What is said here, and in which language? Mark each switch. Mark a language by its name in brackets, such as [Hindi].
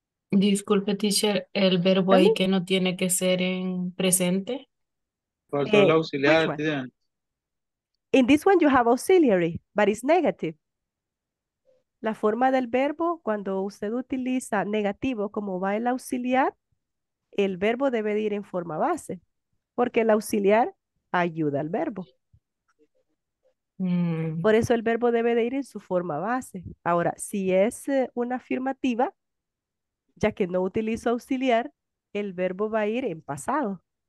[Spanish] Disculpe, teacher, el verbo ahí que no tiene que ser en presente. Faltó el auxiliar, didn't. [English] In this one you have auxiliary, but it's negative. [Spanish] La forma del verbo, cuando usted utiliza negativo, como va el auxiliar, el verbo debe de ir en forma base, porque el auxiliar ayuda al verbo. Por eso el verbo debe de ir en su forma base. Ahora, si es una afirmativa, ya que no utilizo auxiliar, el verbo va a ir en pasado.